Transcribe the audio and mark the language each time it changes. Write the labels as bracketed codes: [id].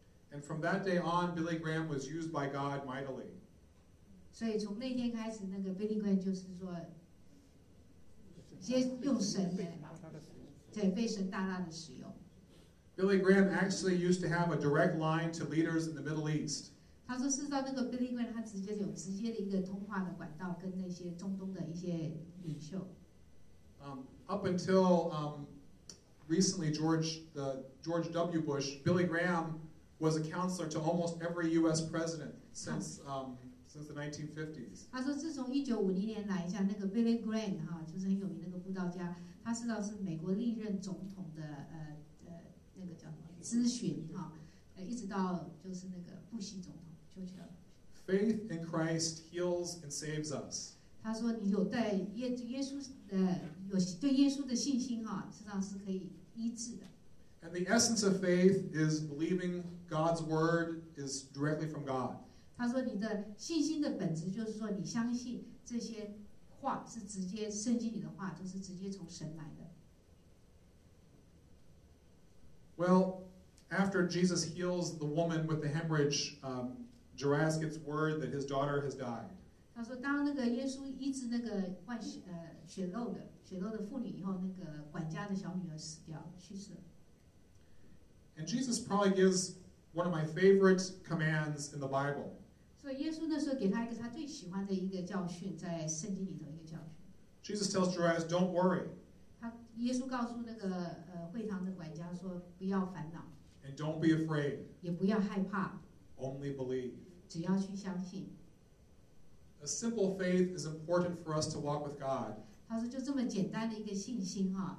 [en] And from that day on, Billy Graham was used by God mightily. [zh] 所以从那天开始，那个 Billy Graham 就是说，用神的，对，被神大大的使用。 [en] Billy Graham actually used to have a direct line to leaders in the Middle East. [zh] 他说，事实上，那个 Billy Graham 他直接有直接的一个通话的管道，跟那些中东的一些领袖。 [en] Up until recently, George W. Bush, Billy Graham was a counselor to almost every U.S. president since the 1950s. [zh] 他说，自从1950年来，像那个 Billy Graham 哈，就是很有名那个布道家，他实际上是美国历任总统的那个叫什么咨询哈，一直到就是那个布希总统丘吉尔。 [en] Faith in Christ heals and saves us. [zh] 他说，你有在耶稣有对耶稣的信心哈，实际上是可以。 [en] And the essence of faith is believing God's word is directly from God. [zh] 他说你的信心的本质就是说你相信这些话是直接圣经里的话就是直接从神来的。 [en] Well, after Jesus heals the woman with the hemorrhage, Jairus gets word that his daughter has died. [zh] 他说当那个耶稣医治那个患血漏的许多的妇女以后，那个管家的小女儿死掉，去世了。 [en] And Jesus probably gives one of my favorite commands in the Bible. [zh] 所以耶稣那时候给他一个他最喜欢的一个教训，在圣经里头一个教训。 [en] Jesus tells Jairus, "Don't worry." [zh] 耶稣告诉会堂的管家说, 不要烦恼, [en] and don't be afraid. [zh] 也不要害怕, [en] only believe. [zh] 只要去相信, [en] a simple faith is important for us to walk with God. [zh] 他说就这么简单的一个信心,